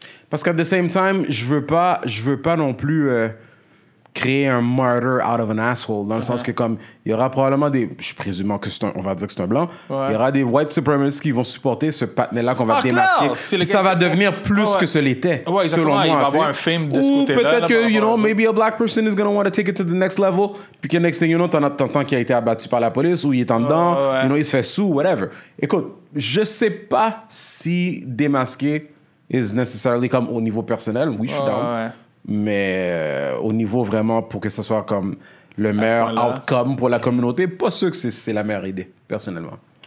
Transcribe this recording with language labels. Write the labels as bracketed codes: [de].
[fr] Parce qu' [en] at the same time, [fr] je veux pas non plus créer un martyr [en] out of an asshole. [fr] Dans le sens que comme, il y aura probablement des... Je présume que c'est un, on va dire que c'est un blanc. Il y aura des [en] white supremacists [fr] qui vont supporter ce patinet-là qu'on va démasquer. Ça va devenir plus que ce l'était, selon moi. Il va avoir un fame de ce côté-là. Ou peut-être que, [en] you know, maybe a black person is going to want to take it to the next level. [fr] Puis que [en] next thing you know, [fr] t'en entends qu'il a été abattu par la police ou il est en dedans. [en] You know, [fr] il se fait sous, whatever. Écoute, je sais pas si démasquer [en] is necessarily [fr] comme au niveau personnel. Oui, je suis down. Mais au niveau vraiment pour que ça soit comme le meilleur outcome pour la communauté, pas sûr que c'est la meilleure idée, personnellement.